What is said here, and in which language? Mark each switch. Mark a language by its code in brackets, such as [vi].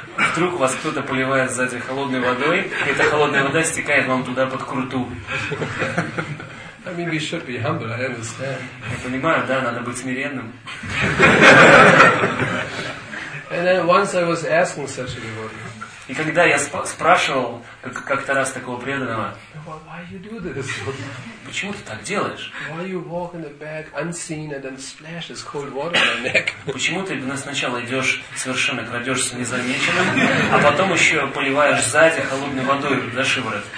[ru] Вдруг вас кто-то поливает сзади холодной водой, и эта холодная вода стекает вам туда под круту. [en] maybe you should be humble, I understand. [ru] Я понимаю, да, надо быть смиренным. [en] And then once I was asking such a devotee. [ru] И когда я спрашивал как-то раз такого преданного, [en] well, why you do this? [ru] Почему ты так делаешь? [en] Why you walk in the back unseen and then splashes cold water on your neck? [ru] Почему ты сначала идешь совершенно крадешься незамеченным, а потом еще поливаешь сзади холодной водой за шиворот?